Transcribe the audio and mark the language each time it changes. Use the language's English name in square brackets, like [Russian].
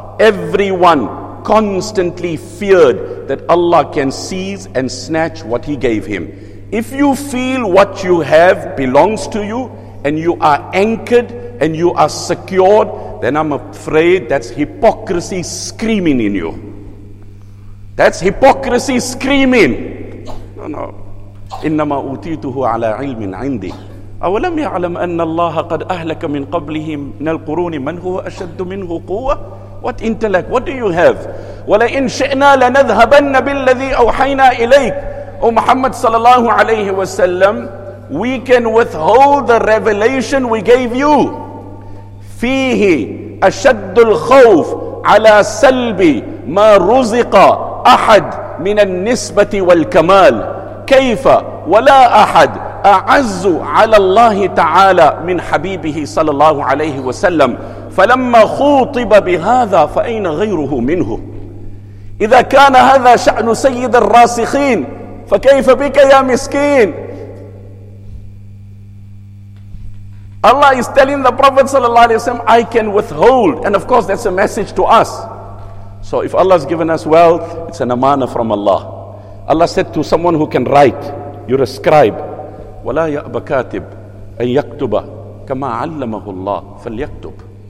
[English] Everyone constantly feared that Allah can seize and snatch what He gave him. If you feel what you have belongs to you, and you are anchored and you are secured, then I'm afraid that's hypocrisy screaming in you. That's hypocrisy screaming. No. [Arabic] إنما أوتيته على علم عندي أولم يعلم أن الله قد أهلك من قبله من القرون من هو أشد منه قوة. [English] What intellect? What do you have? [Arabic] ولئن شئنا لنذهبن بالذي أوحينا إليك. [English] O Muhammad sallallahu alayhi wa sallam, we can withhold the revelation we gave you. [Arabic] فيه أشد الخوف على سلبي ما رزق أحد من النسبة والكمال. كيف ولا أحد أعز على الله تعالى من حبيبه صلى الله عليه وسلم فلما خوطب بهذا فأين غيره منه إذا كان هذا شأن سيد الراسخين فكيف بك يا مسكين. [English] Allah is telling the Prophet [Arabic] صلى الله عليه وسلم, [English] I can withhold, and of course that's a message to us. So if Allah has given us wealth, it's an amana from Allah. Allah said to someone who can write, you're a scribe. [Arabic] وَلَا يَأْبَ كَاتِبُ أَنْ يَكْتُبَ كَمَا عَلَّمَهُ اللَّهِ فَلْيَكْتُبُ.